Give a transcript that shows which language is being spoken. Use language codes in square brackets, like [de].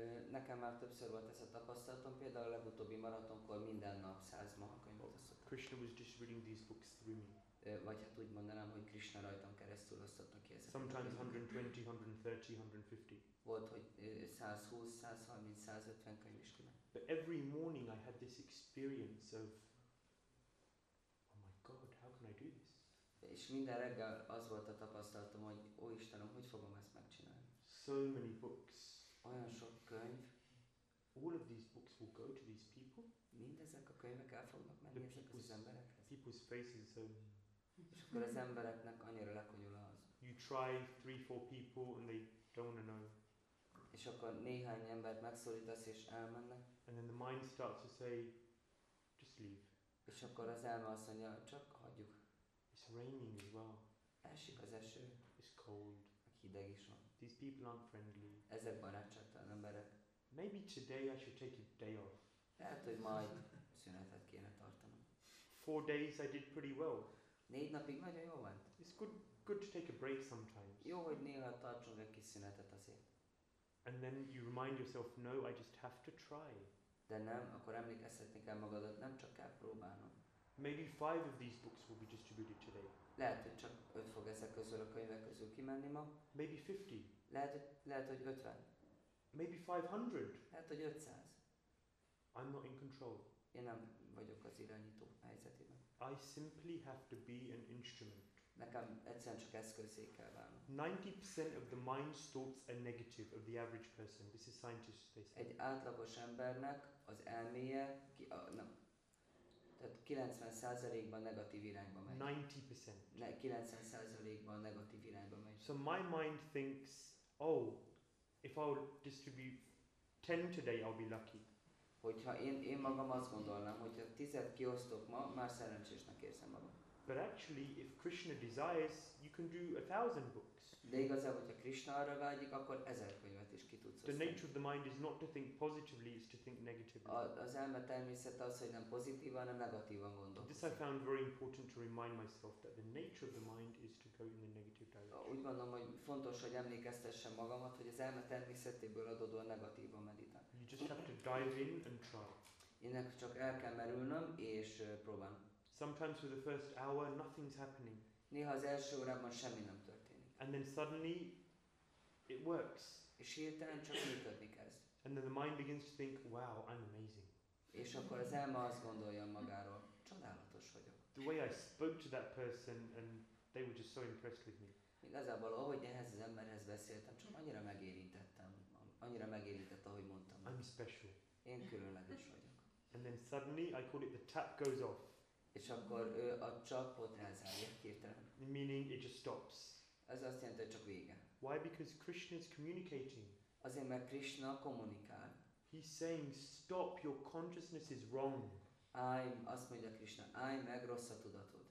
[hu] Nekem már többször volt ez a tapasztalatom, például a legutóbbi maratonkor minden nap 100 maha könyvet osztottam. [en] Krishna was just reading these books through me. [hu] Vagy hát úgy mondanám, hogy Krishna rajtam keresztül osztotta ki ezeket. [en] Sometimes 120, 130, 150. [hu] Volt, hogy 120, 130, 150 könyv is kimen. [en] But every morning I had this experience of, oh my God, how can I do this? [hu] És minden reggel az volt a tapasztalatom, hogy ó Istenem, hogy fogom ezt megcsinálni? [en] So many books. [hu] Olyan sok könyv. [en] All of these books will go to these people. [hu] Mindezek a könyvek el fognak menni ezekhez az emberekhez. [en] People's faces so. [hu] És akkor az embereknek annyira lekonyul az. [en] You try 3-4 people and they don't wanna know. [hu] És akkor néhány embert megszólítasz és elmennek. [en] And then the mind starts to say, just leave. [hu] És akkor az elme azt mondja, csak hagyjuk. [en] It's raining as well. [hu] Esik az eső. [en] It's cold. [hu] Meg hideg is van. [en] These people aren't friendly. [hu] Ezek barátságtalan emberek. [en] Maybe today I should take a day off. [hu] Lehet, hogy majd szünetet kéne tartanom. [en] 4 days I did pretty well. [hu] Négy napig nagyon jó ment. [en] It's good to take a break sometimes. [hu] Jó, hogy néha tartsunk egy kis szünetet azért. [en] And then you remind yourself, no, I just have to try. [hu] De nem, akkor emlékeztetni kell magadat, nem csak kell próbálnom. [en] Maybe five of these books will be distributed today. [hu] Lehet, hogy csak 5 fog ezek közül a könyvek közül kimenni ma. [en] Maybe 50. [hu] Lehet, hogy 50. [en] Maybe 500. [hu] Lehet, hogy 500. [en] I'm not in control. [hu] Én nem vagyok az irányító helyzetében. [en] I simply have to be an instrument. [hu] Nekem egyszerűen csak eszközé kell válni. [en] 90% of the mind's thoughts are negative of the average person. This is scientists, they say. [hu] Egy átlagos embernek az elméje, tehát 90%-ban negatív irányba megy. [en] 90%. [hu] 90%-ban negatív irányba megy. [en] So my mind thinks, oh, if I would distribute 10 today, I'll be lucky. [hu] Hogyha én magam azt gondolnám, hogyha 10-et kiosztok ma, már szerencsésnek érzem magam. [en] But actually, if Krishna desires, you can do 1,000 books. [hu] De igazából, hogyha Krishna arra vágyik, akkor 1,000 könyvet is ki tudsz osztani. [en] The nature of the mind is not to think positively, it's to think negatively. [hu] Az elme természete az, hogy nem pozitívan, hanem negatívan gondolkozik. [en] This I found very important to remind myself that the nature of the mind is to go in the negative direction. [hu] Úgy gondolom, hogy fontos, hogy emlékeztessem magamat, hogy az elme természetéből adódóan negatívan meditál. [en] You just have to dive in and try. [hu] Énnek csak el kell merülnöm és próbálom. [en] Sometimes for the first hour, nothing's happening. [hu] Néha az első órában semmi nem történik. [en] And then suddenly, it works. [hu] És hirtelen csak működni kezd. [en] And then the mind begins to think, wow, I'm amazing. [hu] És akkor az elme azt gondolja magáról, csodálatos vagyok. [en] The way I spoke to that person, and they were just so impressed with me. [hu] Igazából, ahogy ehhez az emberhez beszéltem, csak annyira megérintettem, annyira megérintett, ahogy mondtam. [en] I'm special. [hu] Én különleges vagyok. [en] And then suddenly, I call it the tap goes off. [hu] És akkor ő a csapot elzárja hirtelen. [en] Meaning it just stops. [hu] Ez azt jelenti, hogy csak vége. [en] Why? Because Krishna is communicating. [hu] Azért, mert Krishna kommunikál. [en] He's saying, stop, your consciousness is wrong. [hu] Azt mondja Krishna, állj meg, rossz a tudatod.